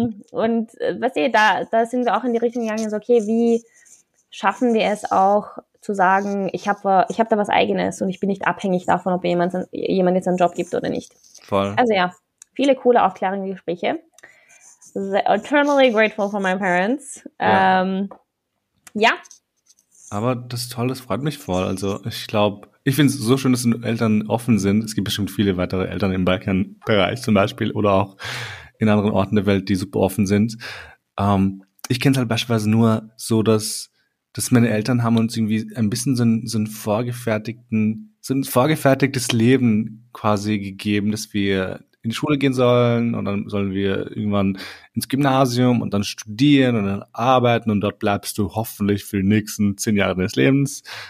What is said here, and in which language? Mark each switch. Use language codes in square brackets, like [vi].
[de] Und weißt du, da sind wir auch in die Richtung gegangen, so, okay, wie schaffen wir es auch zu sagen, ich hab da was Eigenes und ich bin nicht abhängig davon, ob jemand jetzt einen Job gibt oder nicht. Voll. Also ja, viele coole Aufklärungsgespräche. [en] Eternally grateful for my parents. [de] Ja. Aber das ist toll, das freut mich voll. Also ich glaube, ich finde es so schön, dass die Eltern offen sind. Es gibt bestimmt viele weitere Eltern im Balkanbereich zum Beispiel oder auch in anderen Orten der Welt, die super offen sind. Ich kenne es halt beispielsweise nur so, dass meine Eltern haben uns irgendwie ein bisschen so ein vorgefertigtes Leben quasi gegeben, dass wir in die Schule gehen sollen und dann sollen wir irgendwann ins Gymnasium und dann studieren und dann arbeiten und dort bleibst du hoffentlich für die nächsten 10 Jahre deines Lebens.